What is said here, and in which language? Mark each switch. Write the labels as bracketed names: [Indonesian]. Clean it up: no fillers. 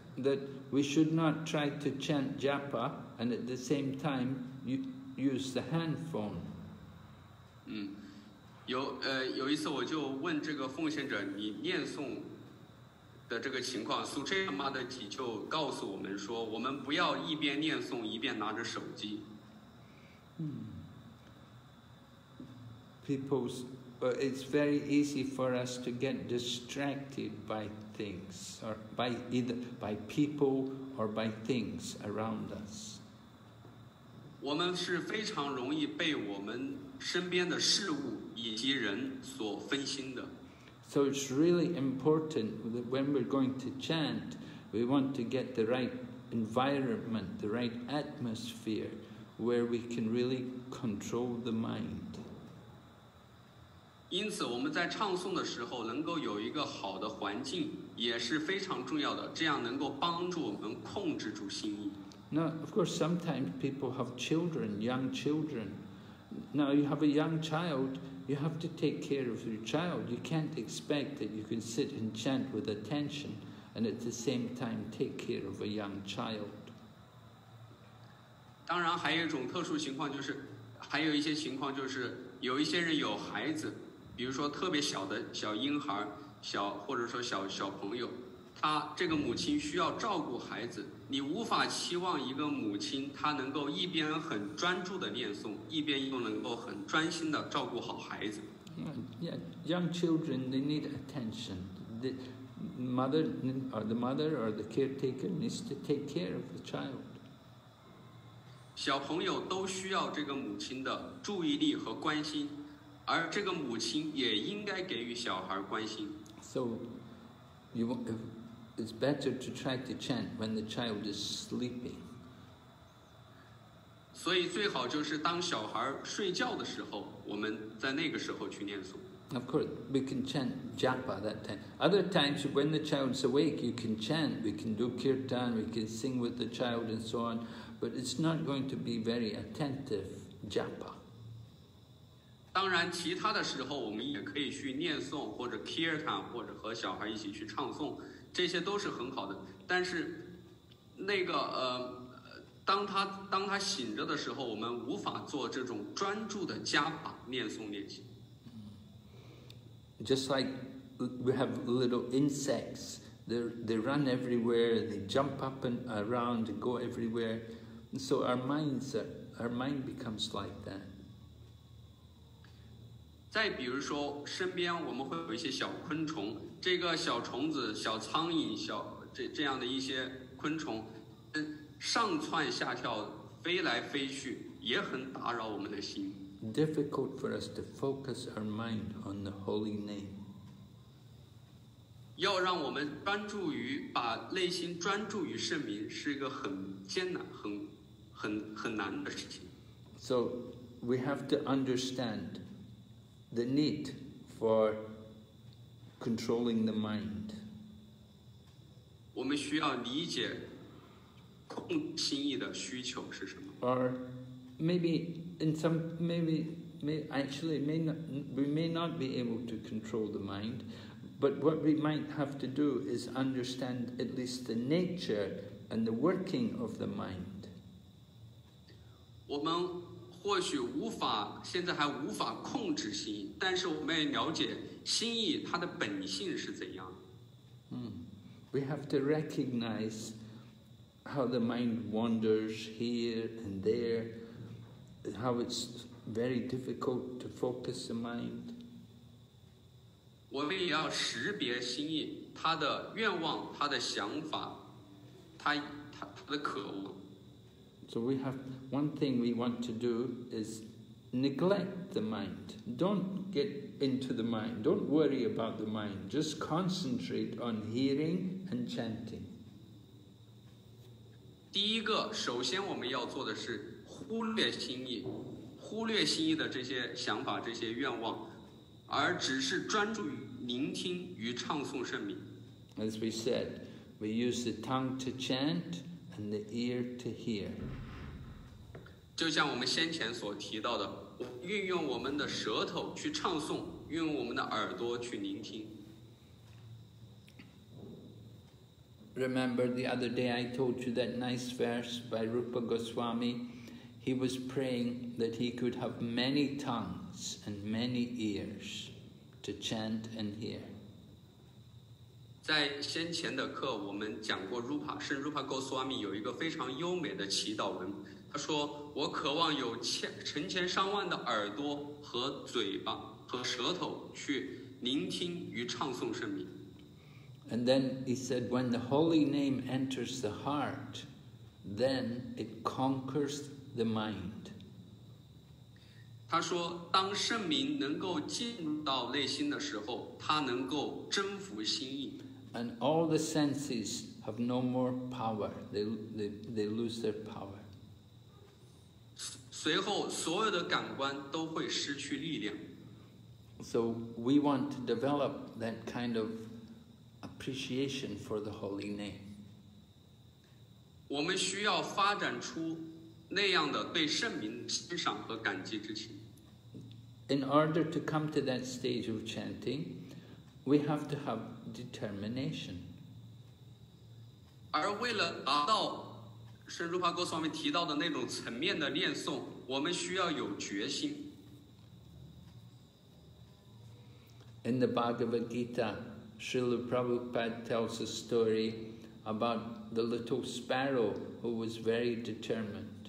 [English] that we should not try to chant japa and at the same time use the handphone. [Chinese] 有一次我就问这个奉献者，你念诵的这个情况，苏菲亚妈的姐就告诉我们说，我们不要一边念诵一边拿着手机。 [English] People's, it's very easy for us to get distracted by things, or by either by people or by things around us. [Chinese] 我们是非常容易被我们身边的事物以及人所分心的。 [English] So it's really important that when we're going to chant, we want to get the right environment, the right atmosphere, where we can really control the mind. [Chinese] 因此我们在唱诵的时候能够有一个好的环境也是非常重要的，这样能够帮助我们控制住心意。 [English] Now, of course, sometimes people have children, young children. Now, you have a young child, you have to take care of your child. You can't expect that you can sit and chant with attention and at the same time take care of a young child. [Chinese] 当然还有一种特殊情况就是，还有一些情况就是，有一些人有孩子，比如说特别小的小婴孩，小，或者说小，小朋友，他这个母亲需要照顾孩子。你无法期望一个母亲她能够一边很专注的念诵，一边又能够很专心的照顾好孩子。 [English] Yeah, young children, they need attention. The mother, or the mother, or the caretaker needs to take care of the child. [Chinese] 小朋友都需要这个母亲的注意力和关心，而这个母亲也应该给予小孩关心。 [English] So, you want to... It's better to try to chant when the child is sleeping. [Chinese] 所以最好就是当小孩睡觉的时候，我们在那个时候去念诵。 [English] Of course, we can chant japa that time. Other times, when the child's awake, you can chant. We can do kirtan, we can sing with the child and so on. But it's not going to be very attentive japa. [Chinese] 当然其他的时候我们也可以去念诵或者 kirtan 或者和小孩一起去唱诵。这些都是很好的，但是那个当他醒着的时候，我们无法做这种专注的加法念诵练习。 [English] Just like we have little insects, they run everywhere, they jump up and around, and go everywhere, and so our mind becomes like that. [Chinese] 再比如说，身边我们会有一些小昆虫。这个小虫子、小苍蝇、小这样的一些昆虫，上窜下跳，飞来飞去，也很打扰我们的心。 [English] Difficult for us to focus our mind on the holy name. [Chinese] 要让我们专注于把内心专注于圣名，是一个很艰难、很难的事情。 [English] So we have to understand the need for controlling the mind. [Chinese] 我们需要理解控心意的需求是什么。 [English] Or maybe in some, we may not be able to control the mind, but what we might have to do is understand at least the nature and the working of the mind. [Chinese] 我们或许无法现在还无法控制心意，但是我们也了解心意它的本性是怎样。 [English] We have to recognize how the mind wanders here and there, how it's very difficult to focus the mind. [Chinese] 我们也要识别心意，它的愿望，它的想法，它的渴望。 [English] So we have one thing we want to do is neglect the mind. Don't get into the mind. Don't worry about the mind. Just concentrate on hearing and chanting. [Chinese] 第一个，首先我们要做的是忽略心意，忽略心意的这些想法、这些愿望，而只是专注于聆听与唱诵圣名。 [English] As we said, we use the tongue to chant. And the ear to hear. [Chinese] 就像我们先前所提到的，运用我们的舌头去唱诵，运用我们的耳朵去聆听。 [English] Remember the other day I told you that nice verse by Rupa Goswami. He was praying that he could have many tongues and many ears to chant and hear. [Chinese] 在先前的课我们讲过 Rupa 是 Rupa Goswami 有一个非常优美的祈祷文，他说我渴望有成千上万的耳朵和嘴巴和舌头去聆听与唱诵圣名。 [English] And then he said when the holy name enters the heart then it conquers the mind. [Chinese] 他说当圣名能够进到内心的时候他能够征服心意。 [English] And all the senses have no more power. They lose their power. [Chinese] 随后所有的感官都会失去力量。 [English] So we want to develop that kind of appreciation for the holy name. [Chinese] 我们需要发展出那样的对圣名欣赏和感激之情。 [English] In order to come to that stage of chanting, we have to have determination. [Chinese] 而为了达到是卢帕哥上面提到的那种层面的念诵，我们需要有决心。 [English] In the Bhagavad Gita, Srila Prabhupada tells a story about the little sparrow who was very determined.